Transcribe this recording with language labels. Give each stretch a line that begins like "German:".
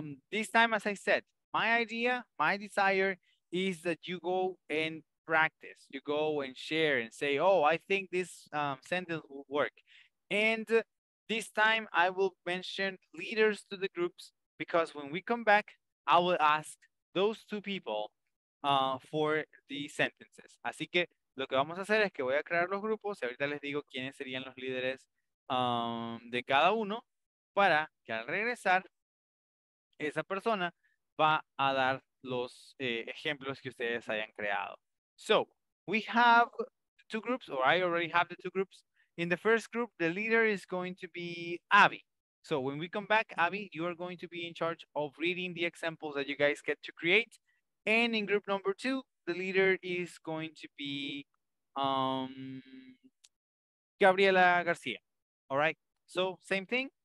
English: This time, as I said, my idea, my desire is that you go and practice. You go and share and say, oh, I think this sentence will work. And this time I will mention leaders to the groups because when we come back, I will ask those two people for the sentences.
Spanish: Así que lo que vamos a hacer es que voy a crear los grupos y ahorita les digo quiénes serían los líderes de cada uno para que al regresar, esa persona va a dar los ejemplos que ustedes hayan creado.
English: So, we have two groups, or I already have the two groups. In the first group, the leader is going to be Abby. So when we come back, Abby, you are going to be in charge of reading the examples that you guys get to create. And in group number two, the leader is going to be Gabriela Garcia. All right. So same thing.